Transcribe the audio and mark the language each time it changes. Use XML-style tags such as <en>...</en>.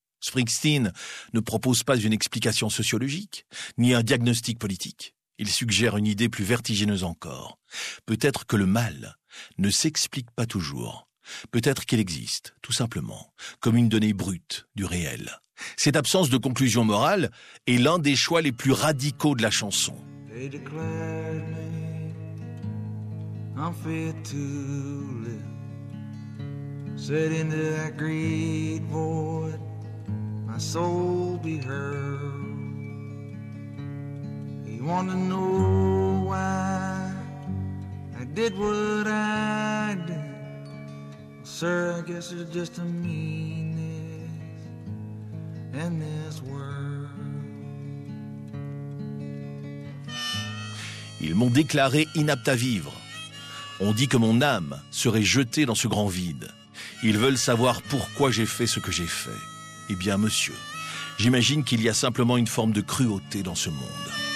<fr>Springsteen ne propose pas une explication sociologique, ni un diagnostic politique. Il suggère une idée plus vertigineuse encore. Peut-être que le mal ne s'explique pas toujours. Peut-être qu'il existe, tout simplement, comme une donnée brute du réel. Cette absence de conclusion morale est l'un des choix les plus radicaux de la chanson.</fr> <en>They declared me unfit to live. Said into that great void my soul be heard. He wanted to know why I did what I did. Well, sir, I guess it's just a meanness in this world.</en> <fr>Ils m'ont déclaré inapte à vivre. On dit que mon âme serait jetée dans ce grand vide. Ils veulent savoir pourquoi j'ai fait ce que j'ai fait. Eh bien, monsieur, j'imagine qu'il y a simplement une forme de cruauté dans ce monde.</fr>